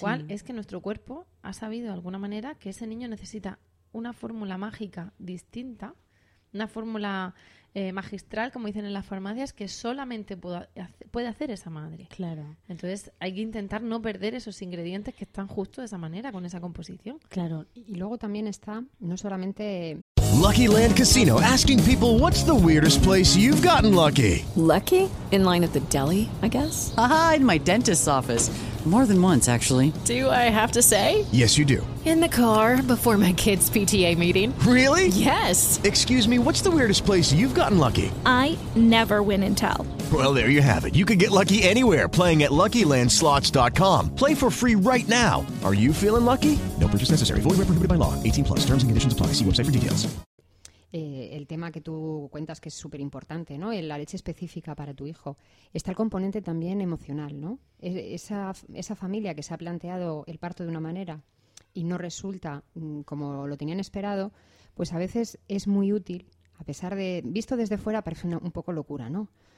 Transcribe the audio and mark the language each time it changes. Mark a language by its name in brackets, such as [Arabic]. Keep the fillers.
[Spanish] cual es que nuestro cuerpo ha sabido de alguna manera que ese niño necesita una fórmula mágica distinta, una fórmula eh, magistral, como dicen en las farmacias, que solamente puede hacer esa madre. Claro. Entonces hay que intentar no perder esos ingredientes que están justo de esa manera, con esa composición. Claro. Y, y luego también está, no solamente. [English] Lucky Land Casino, asking people, what's the weirdest place you've gotten lucky? Lucky? In line at the deli, I guess. Aha, in my dentist's office. More than once, actually. Do I have to say? Yes, you do. In the car before my kids' PTA meeting. Really? Yes. Excuse me, what's the weirdest place you've gotten lucky? I never win and tell. Well, there you have it. You can get lucky anywhere playing at LuckyLandSlots.com. Play for free right now. Are you feeling lucky? No purchase necessary. Void where prohibited by law. 18 plus. Terms and conditions apply. See website for details. [Spanish] Eh, el tema que tú cuentas que es súper importante, ¿no? La leche específica para tu hijo. Está el componente también emocional, ¿no? Es, esa, esa, familia que se ha planteado el parto de una manera y no resulta mmm, como lo tenían esperado, pues a veces es muy útil, a pesar de, visto desde fuera, parece una, un poco locura, ¿no?